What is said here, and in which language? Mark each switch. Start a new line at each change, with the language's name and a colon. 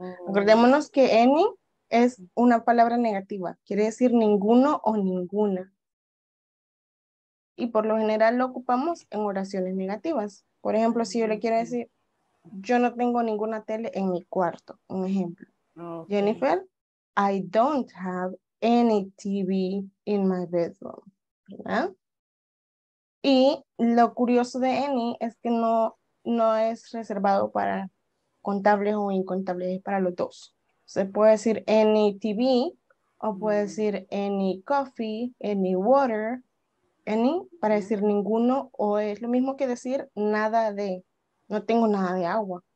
Spanish: Acordémonos que any es una palabra negativa, quiere decir ninguno o ninguna. Y por lo general lo ocupamos en oraciones negativas. Por ejemplo, si yo le quiero decir, yo no tengo ninguna tele en mi cuarto, un ejemplo. Okay.
English: Jennifer, I don't have any TV in my bedroom.
Spanish: ¿Verdad? Y lo curioso de any es que no es reservado para contables o incontables, para los dos. Se puede decir any TV o puede decir any coffee, any water, any, para decir ninguno, o es lo mismo que decir nada de, no tengo nada de agua.